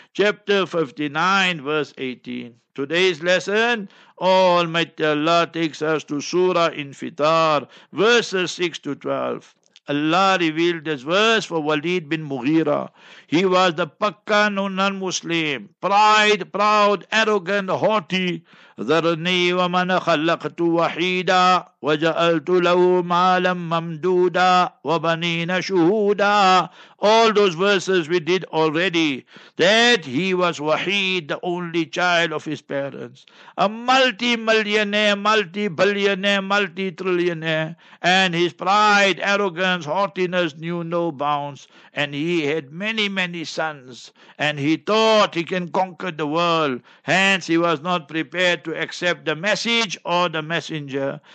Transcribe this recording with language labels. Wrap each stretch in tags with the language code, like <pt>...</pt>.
<en>Chapter 59, verse 18. Today's lesson, Almighty Allah takes us to Surah Infitar, verses 6 to 12. Allah revealed this verse for Walid bin Mughira. He was the pakkan non-Muslim, pride, proud, arrogant, haughty.</en> <ar>ذرني ومن خلقت وحيدا وجعلت له مالا ممدودا وبنين شهودا.</ar> <en>All those verses we did already, that he was Wahid, the only child of his parents, a multi-millionaire, multi-billionaire, multi-trillionaire, and his pride, arrogance, haughtiness knew no bounds, and he had many, many sons, and he thought he can conquer the world, hence he was not prepared to accept the message or the messenger.</en>